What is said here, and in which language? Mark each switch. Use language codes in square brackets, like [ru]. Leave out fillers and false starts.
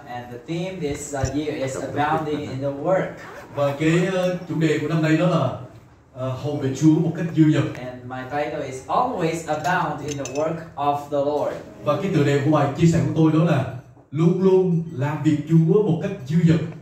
[en] And the theme this year is abounding in the work. [vi] Và cái chủ đề của năm nay đó là hầu về Chúa một cách dư dật. [en] And my title is always abound in the work of the Lord. [vi] Và cái tựa đề của bài chia sẻ của tôi đó là luôn luôn làm việc Chúa một cách dư dật.